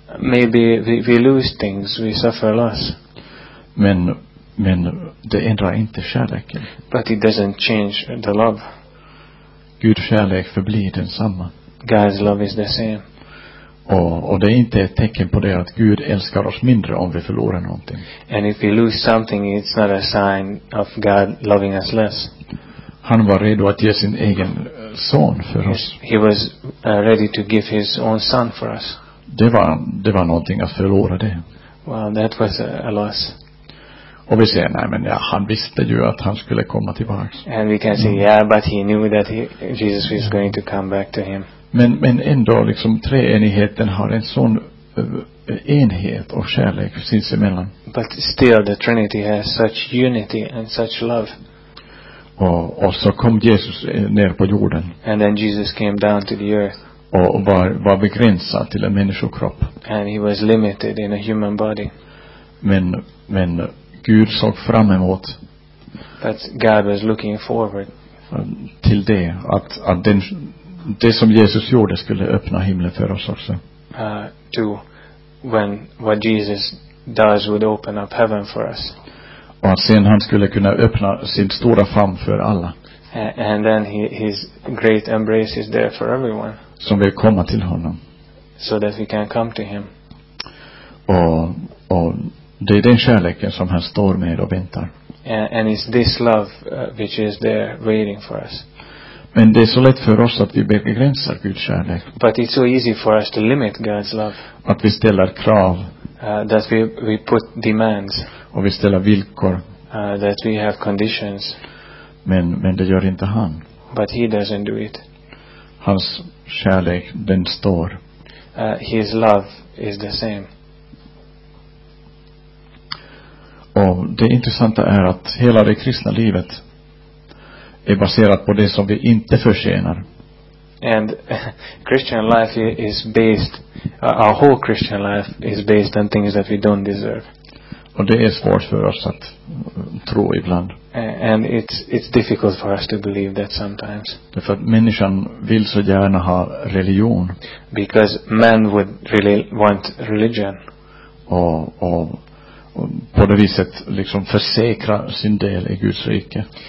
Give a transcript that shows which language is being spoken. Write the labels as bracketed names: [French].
[English] Maybe we lose things, we suffer loss. [Swedish] Men det ändrar inte kärleken. [English] But it doesn't change the love. [Swedish] Guds kärlek förblir densamma. [English] God's love is the same. [Swedish] Och det är inte ett tecken på det att Gud älskar oss mindre om vi förlorar någonting. [English] And if we lose something, it's not a sign of God loving us less. [Swedish] Han var redo att ge sin egen son för oss. [English] He was ready to give his own son for us. [Swedish] Det var någonting att förlora det. [English] Well, that was a loss. [Swedish] Och vi säger nej, men ja, han visste ju att han skulle komma tillbaka. [English] And we can say yeah, but he knew that Jesus was going to come back to him. [Swedish] Men ändå liksom treenigheten har en sån enhet och kärlek sinsemellan. [English] But still the Trinity has such unity and such love. [Swedish] Och så kom Jesus ner på jorden. [English] And then Jesus came down to the earth. [Swedish] Och var begränsad till en människokropp. [English] And he was limited in a human body. [Swedish] Men Gud såg fram emot. [English] But God was looking forward. [Swedish] Till det att det som Jesus gjorde skulle öppna himlen för oss också. [English] To when what Jesus does would open up heaven for us. [Swedish] Och sen han skulle kunna öppna sin stora famn för alla. [English] And then his great embrace is there for everyone. [Swedish] Som vill komma till honom. [English] So that we can come to him. [Swedish] Och det är den kärleken som han står med och väntar. [English] And it's this love which is there waiting for us. [Swedish] Men det är så lätt för oss att vi begränsar Guds kärlek. [English] But it's so easy for us to limit God's love. [Swedish] Att vi ställer krav. [English] That we put demands. [Swedish] Och vi ställer villkor. [English] That we have conditions. [Swedish] Men det gör inte han. [English] But he doesn't do it. [Swedish] Hans kärlek, den står. [English] His love is the same. [Swedish] Och det intressanta är att hela det kristna livet är baserat på det som vi inte förtjänar. [English] And Christian life is based, our whole Christian life is based on things that we don't deserve. [Swedish] Och det är svårt för oss att tro ibland. [English] And it's difficult for us to believe that sometimes. [Swedish] Därför att människan vill så gärna ha religion. [English] Because man would really want religion. [Swedish] Och på det viset liksom försäkra sin del i Guds rike.